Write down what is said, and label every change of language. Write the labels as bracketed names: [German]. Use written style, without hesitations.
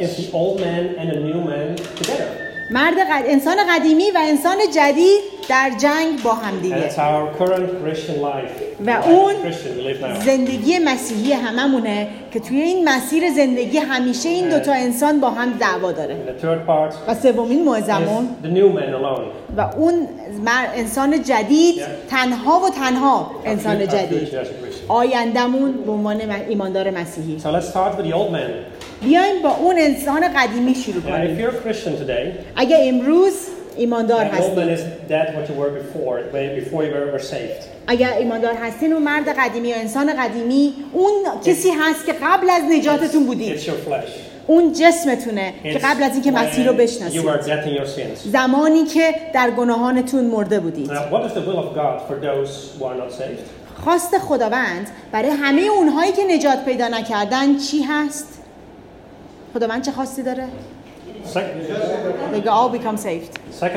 [English] Is the old man and the new man together. [Persian] مرد انسان قدیمی و انسان جدید در جنگ با هم دیگه. [English] And it's our current Christian life. [Persian] و اون زندگی مسیحی هممونه که توی این مسیر زندگی همیشه این دوتا انسان با هم دعوا داره. [English] The third part. [Persian] و سومین موعظه‌مون. [English] The new man alone. [Persian] و اون انسان جدید تنها و تنها انسان جدید. آیندمون به عنوان ایماندار مسیحی. [English] So let's start with the old man. [Persian] بیایم با اون انسان قدیمی شروع کنیم. [English] If you're a Christian today, [Persian] اگه امروز ایماندار هستی. [English] The old man is that what you were before you were saved. [Persian] اگه ایماندار هستین اون مرد قدیمی یا انسان قدیمی اون کسی هست که قبل از نجاتتون بودید. [English] It's your flesh. [Persian] اون جسمتونه که قبل از اینکه مسیح رو بشناسید. زمانی که در گناهانتون مرده بودید. [English] Now, what is the will of God for those who are not saved? [Persian] خواست خداوند برای همه اونهایی که نجات پیدا نکردن چی هست؟ خداوند چه خواستی داره؟ [English] They all become saved.